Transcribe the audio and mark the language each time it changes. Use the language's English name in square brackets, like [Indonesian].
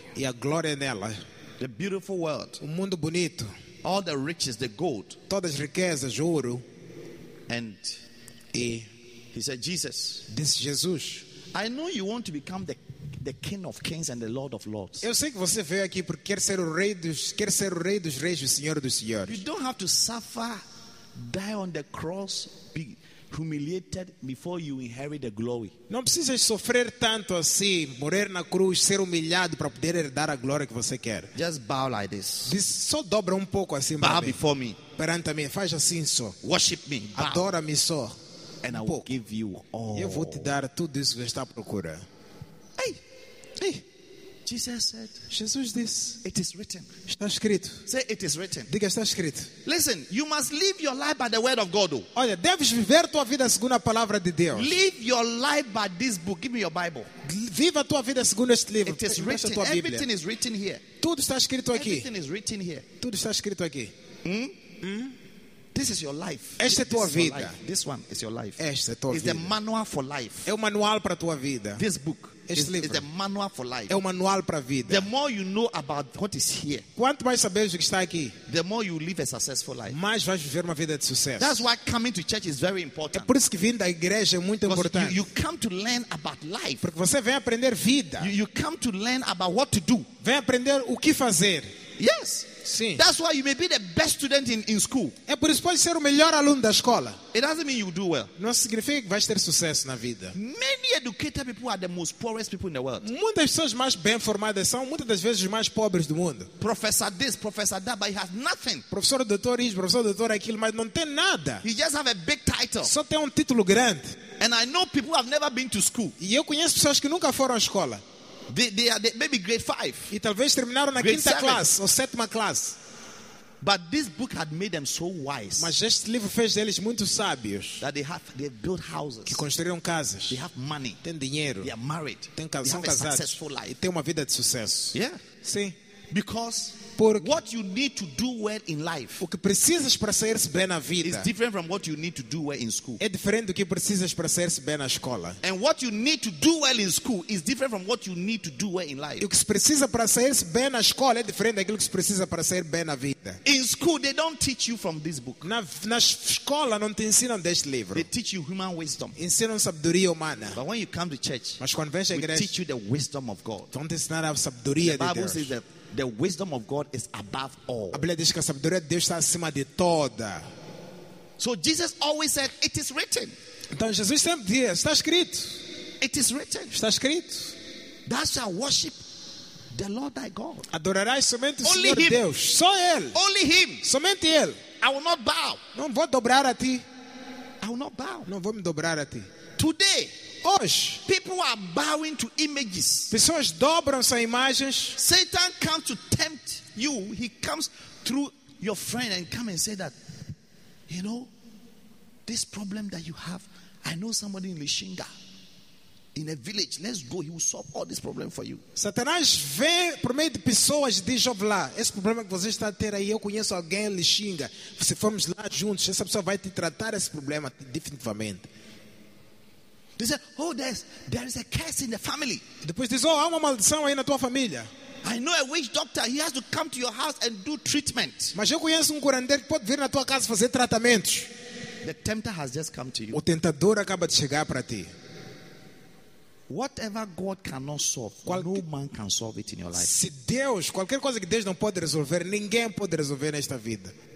[Portuguese] E a glória nela. [English] The beautiful world. [Portuguese] O mundo bonito. [English] All the riches, the gold. [Portuguese] Todas as riquezas, ouro. [English] And [Portuguese] e [English] he said, Jesus. [Portuguese] Disse Jesus. [English] I know you want to become the King of Kings and the Lord of Lords. [Portuguese] Eu sei que você veio aqui porque quer ser o rei dos reis, o Senhor dos Senhores. [English] You don't have to suffer, die on the cross, be humiliated before you inherit the glory. [Portuguese] Não precisa sofrer tanto assim, morrer na cruz, ser humilhado para poder herdar a glória que você quer. [English] Just bow like this. [Portuguese] Só dobra pouco assim. [English] Bow before me. [Portuguese] Perante mim, faz assim só. [English] Worship me. [Portuguese] Adora-me só. [English] And I will give you all. [Portuguese] Eu vou te dar tudo isso que você está à procura. [English] Jesus said, [Portuguese] Jesus disse, [English] it is written. [Portuguese] Está escrito. [English] Say it is written. [Portuguese] Diga, está escrito. [English] Listen, you must live your life by the word of God. [Portuguese] Olha, deves viver tua vida segundo a palavra de Deus. [English] Live your life by this book. Give me your Bible. [Portuguese] Viva tua vida segundo este livro. [English] It is written. [Portuguese] Tua [English] Bíblia. Everything is written here. [Portuguese] Tudo está escrito aqui. [English] Everything is written here. [Portuguese] Tudo está escrito aqui. [English] This is your life. [Portuguese] Esta é tua [English] this [Portuguese] vida. [English] This one is your life. [Portuguese] Esta é tua [English] it's [Portuguese] vida. [English] It's the manual for life. [Portuguese] É o manual para tua vida. [English] This book. [Portuguese] Este livro [English] is the manual for life. [Portuguese] É o manual para a vida. [English] The more you know about what is here, [Portuguese] quanto mais sabes o que está aqui, [English] the more you live a successful life. [Portuguese] Mais vais viver uma vida de sucesso. [English] That's why coming to church is very important. [Portuguese] É por isso que vindo à igreja é muito [English] because [Portuguese] importante. [English] You come to learn about life. [Portuguese] Porque você vem aprender vida. [English] You come to learn about what to do. [Portuguese] Vem aprender o que fazer. [English] Yes. [Portuguese] Sim. [English] That's why you may be the best student in school. [Portuguese] É por isso que pode ser o melhor aluno da escola. [English] It doesn't mean you do well. [Portuguese] Não significa que vais ter sucesso na vida. [English] Many educated people are the most poorest people in the world. [Portuguese] Muitas pessoas mais bem formadas são muitas das vezes os mais pobres do mundo. [English] Professor this, professor that, but he has nothing. [Portuguese] Professor doutor isso, professor doutor aquilo, mas não tem nada. [English] He just have a big title. [Portuguese] Só tem título grande. [English] And I know people who have never been to school. [Portuguese] E eu conheço pessoas que nunca foram à escola. [English] They are maybe grade 5. [Portuguese] E talvez terminaram na quinta classe ou sétima classe. [English] But this book had made them so wise. [Portuguese] Mas este livro fez deles muito sábios. [English] That they built houses. [Portuguese] Que construíram casas. [English] They have money. [Portuguese] Têm dinheiro. [English] They are married. [Portuguese] Têm casa, [English] they have a successful life. [Portuguese] E têm uma vida de sucesso. [English] Yeah. [Portuguese] Sim. [English] Because [Portuguese] porque [English] what you need to do well in life, [Portuguese] o que precisas para sair-se bem na vida, [English] is different from what you need to do well in school. [Portuguese] É diferente do que precisas para sair-se bem na escola. [English] And what you need to do well in school is different from what you need to do well in life. [Portuguese] O que se precisa para sair-se bem na escola é diferente daquilo que se precisa para sair bem na vida. [English] In school, they don't teach you from this book. [Portuguese] Na escola não te ensinam deste livro. [English] They teach you human wisdom. [Portuguese] Ensinam sabedoria humana. [English] But when you come to church, [Portuguese] mas quando vens à igreja, [English] we teach you the wisdom of God. [Portuguese] Vão te ensinar a sabedoria de Deus. [English] The wisdom of God is above all. [Portuguese] A Bíblia diz que a sabedoria de Deus está acima de toda. [English] So Jesus always said, it is written. [Portuguese] Então Jesus sempre dizia, está escrito. [English] It is written. [Portuguese] Está escrito. [English] Thou shalt worship the Lord thy God. [Portuguese] Adorarás somente o Senhor Deus. Só Ele. [English] Only Him. [Portuguese] Somente Ele. [English] I will not bow. [Portuguese] Não vou dobrar a ti. [English] I will not bow. [Portuguese] Não vou me dobrar a ti. [English] Today, [Portuguese] hoje, [English] people are bowing to images. [Portuguese] Pessoas dobram-se a imagens. [English] Satan comes to tempt you. He comes through your friend and come and say that, you know, this problem that you have, I know somebody in Lishinga, in a village. Let's go. He will solve all this problem for you. [Portuguese] Satanás vem por meio de pessoas, diz lá, esse problema que você está a ter aí, eu conheço alguém em Lishinga. Se formos lá juntos, essa pessoa vai te tratar esse problema definitivamente. [English] They say, oh, there is a curse in the family. [Portuguese] Depois diz, oh, há uma maldição aí na tua família. [English] I know a witch doctor. He has to come to your house and do treatment. [Portuguese] Mas eu conheço curandeiro que pode vir na tua casa fazer tratamento. [English] The tempter has just come to you. [Portuguese] O tentador acaba de chegar para ti. [English] Whatever God cannot solve, no man can solve it in your life. [Portuguese] Se Deus, qualquer coisa que Deus não pode resolver, ninguém pode resolver nesta vida.